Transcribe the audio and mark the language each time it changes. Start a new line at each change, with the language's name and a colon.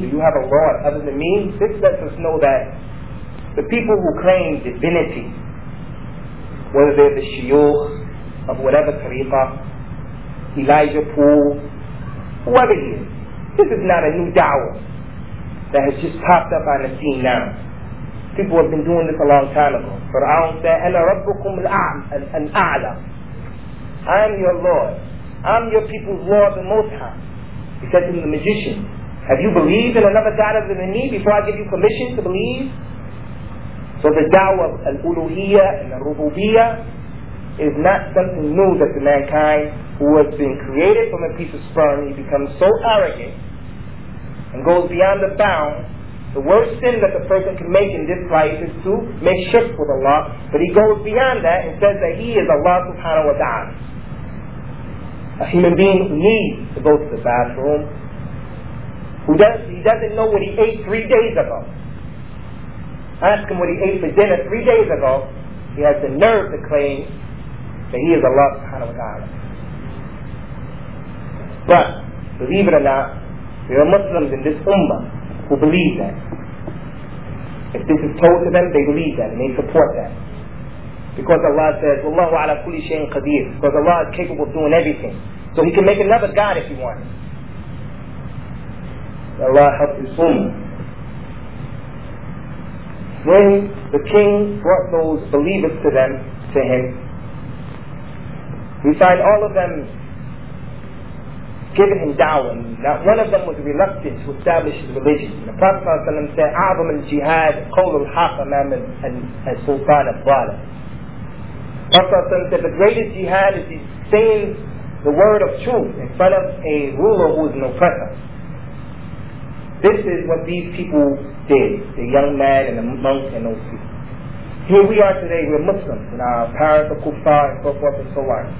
English: Do you have a Lord other than me? This lets us know that the people who claim divinity, whether they're the shiyukh of whatever tariqah, Elijah Poole, whoever he is, this is not a new da'wah that has just popped up on the scene now. People have been doing this a long time ago. Fir'aun said,
Arabic: أَنَا رَبُّكُمْ الْأَعْلَى.
English: I am your Lord. I'm your people's Lord the Most High. He said to the magician, have you believed in another God other than me before I give you permission to believe? So the da'wah of al-uluhiyah and al-rububiyah is not something new that the mankind who has been created from a piece of sperm, he becomes so arrogant and goes beyond the bounds. The worst sin that the person can make in this life is to make shirk with Allah, but he goes beyond that and says that he is Allah subhanahu wa ta'ala. A human being who needs to go to the bathroom, he doesn't know what he ate 3 days ago. Ask him what he ate for dinner 3 days ago, he has the nerve to claim that he is Allah subhanahu wa ta'ala. But, believe it or not, there are Muslims in this ummah who believe that. If this is told to them, they believe that and they support that. Because Allah says,
Arabic: وَاللَّهُ عَلَى كُلِّ شَيْءٍ قَدِيرٍ.
English: Because Allah is capable of doing everything. So He can make another God if He wants. Allah help His ummah. When the king brought those believers to him, we find all of them giving him da'wah. Not one of them was reluctant to establish his religion. The Prophet ﷺ said,
Arabic: أَعْظَمُ الْجِهَادِ قَوْلُ الْحَقِّ أَمَامَ السُّلْطَانِ الظَّالِمِ.
English: Prophet said the greatest jihad is saying the word of truth in front of a ruler who is an oppressor. This is what these people did, the young man and the monk and those people. Here we are today, we're Muslims, and our parents are kuffar and so forth and so on.